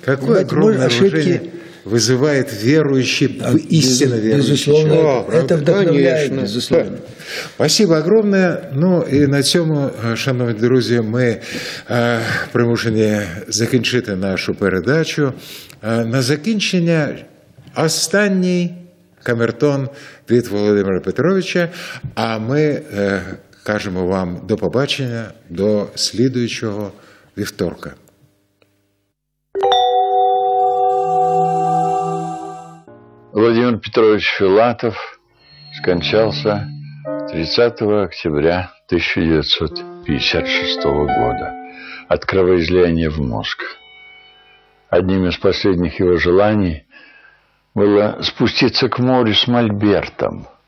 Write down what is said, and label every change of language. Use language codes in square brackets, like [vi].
[ru] Какое огромное уважение вызывает верующий, истинно верующий. Безусловно, это вдохновляет. Конечно. Безусловно. Спасибо огромное. Ну и на этом, [uk] шановные [ru] друзья, мы [uk] примушены [ru] закончить нашу передачу. На закончение [uk] останній камертон від Володимира Петровича, [ru] а мы [uk] кажемо вам до побачення [ru] до следующего [uk] вівторка. [ru] Владимир Петрович Филатов скончался 30 октября 1956 года от кровоизлияния в мозг. Одним из последних его желаний было спуститься к морю с мольбертом.